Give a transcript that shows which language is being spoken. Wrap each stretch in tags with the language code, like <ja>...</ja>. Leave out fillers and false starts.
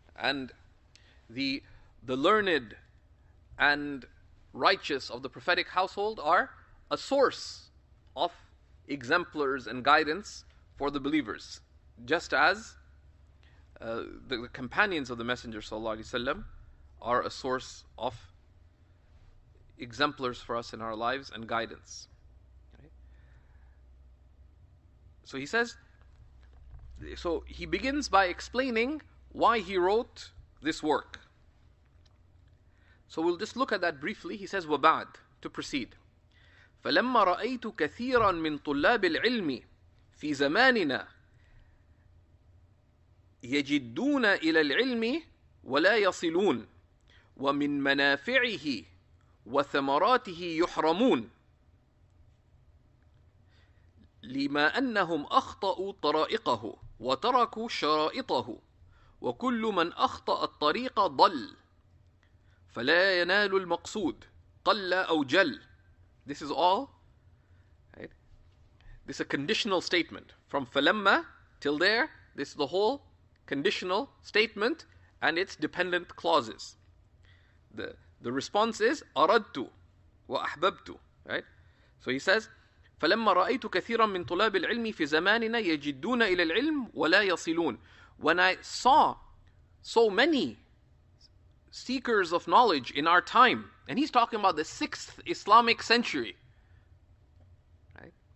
<en>And the learned and righteous of the prophetic household are a source of exemplars and guidance for the believers, just as the companions of the Messenger sallallahu alaihi wasallam are a source of exemplars for us in our lives and guidance. So he says, so he begins by explaining why he wrote this work. So we'll just look at that briefly. He says,</en> <ar>وَبَعْد,</ar> <en>to proceed.</en> <ar>فَلَمَّا رَأَيْتُ كَثِيرًا مِنْ طُلَّابِ الْعِلْمِ فِي زَمَانِنَا يَجِدُّونَ إِلَى الْعِلْمِ وَلَا يَصِلُونَ وَمِنْ مَنَافِعِهِ وَثَمَرَاتِهِ يُحْرَمُونَ لما أنهم أخطأوا طرائقه وتركوا شرائطه وكل من أخطأ الطريق ضل فلا ينال المقصود قل أو جل.</ar> <en>This is all, right? This is a conditional statement from فلما till there. This is the whole conditional statement and its dependent clauses. The response is</en> <ar>أردت وأحببت,</ar> <en>right? So he says,</en> <ar>فَلَمَّا رَأَيْتُ كَثِيرًا مِّن طُلَابِ الْعِلْمِ فِي زَمَانِنَا يَجِدُّونَ إِلَى الْعِلْمِ وَلَا يَصِلُونَ.</ar> <en>When I saw so many seekers of knowledge in our time, and he's talking about the 6th Islamic century, right?</en>